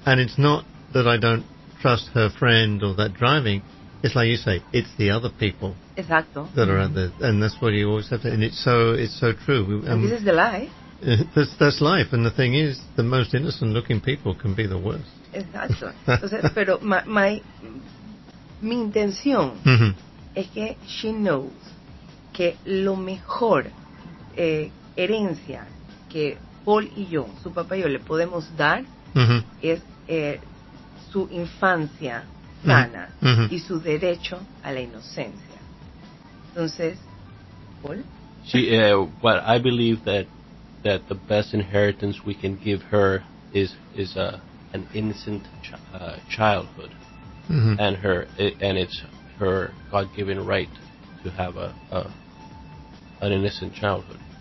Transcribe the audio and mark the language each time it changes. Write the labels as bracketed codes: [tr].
[en] And it's not that I don't trust her friend or that driving. It's like you say, it's the other people. [es] Exacto. [en] That are out there. And that's what you always have to... And it's so true. And this is the life. That's life. And the thing is, the most innocent-looking people can be the worst. [es] Exacto. Entonces, pero mi intención es que [en] she knows [es] que lo mejor herencia que Paul y yo, su papá y yo, le podemos dar es su infancia sana y su derecho a la inocencia. Entonces, Paul. [en] But I believe that the best inheritance we can give her is an innocent childhood, and it's her God-given right to have an innocent childhood.